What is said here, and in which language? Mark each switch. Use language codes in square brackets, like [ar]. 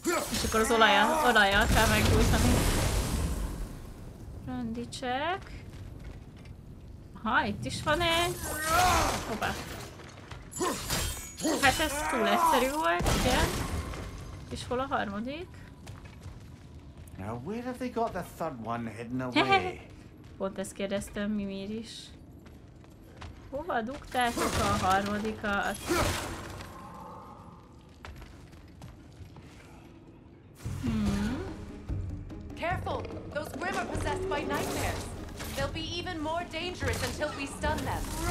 [hu] És akkor az olajjal kell meggyújtani. Rendítsek. Ha, itt is van egy. Hoppá. Hát ez túl egyszerű volt, igen. És hol a harmadik? [en] Now where have they got the third one hidden away? [hu] Pont ezt kérdeztem, Mimir is. Hova dugtátok a harmadikat? [en] Careful! Those grim are possessed by nightmares. They'll be even more dangerous until we stun them.